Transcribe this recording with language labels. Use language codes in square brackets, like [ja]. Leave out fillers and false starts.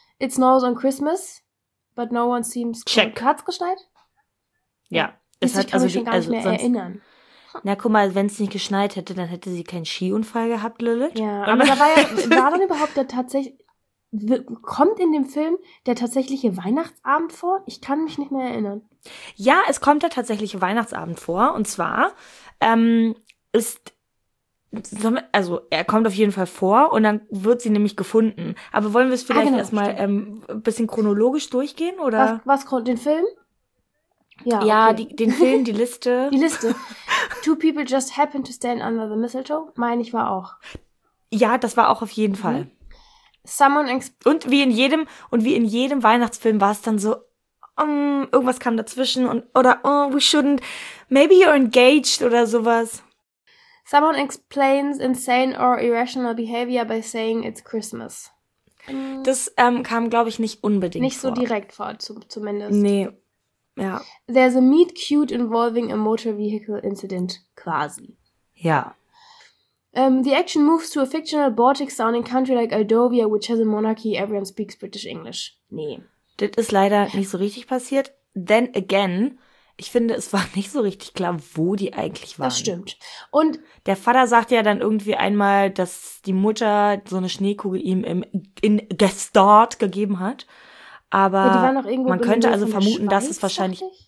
[en] It snows on Christmas, but no one seems cold. Check. [de] Hat's geschneit? Ja. Ich kann mich schon gar nicht mehr erinnern. Na, guck mal, wenn es nicht geschneit hätte, dann hätte sie keinen Skiunfall gehabt, Lilith. Ja, aber war dann überhaupt der tatsächlich... Kommt in dem Film der tatsächliche Weihnachtsabend vor? Ich kann mich nicht mehr erinnern. Ja, es kommt der tatsächliche Weihnachtsabend vor. Und zwar er kommt auf jeden Fall vor und dann wird sie nämlich gefunden. Aber wollen wir es vielleicht erstmal ein bisschen chronologisch durchgehen? Oder? Was, den Film? Ja, okay. Den Film, die Liste. Die Liste. [en] Two people just happen to stand under the mistletoe. [de] Meine ich war auch. Ja, das war auch auf jeden Fall. Und wie in jedem Weihnachtsfilm war es dann so, irgendwas kam dazwischen und oder [en] oh, we shouldn't, maybe you're engaged [de] oder sowas. [en] Someone explains insane or irrational behavior by saying it's Christmas. [de] Das kam, glaube ich, nicht unbedingt nicht vor. So direkt vor, zumindest. Nee, ja. [en] There's a meet cute involving a motor vehicle incident, quasi. [de] Ja. [en] The action moves to a fictional Baltic-sounding country like Aldovia, which has a monarchy, everyone speaks British English. [de] Nee. Das ist leider nicht so richtig passiert. [en] Then again, [de] ich finde, es war nicht so richtig klar, wo die eigentlich waren. Das stimmt. Und der Vater sagt ja dann irgendwie einmal, dass die Mutter so eine Schneekugel ihm in Gestort gegeben hat. Aber die waren auch irgendwo, man könnte also vermuten, dass es wahrscheinlich...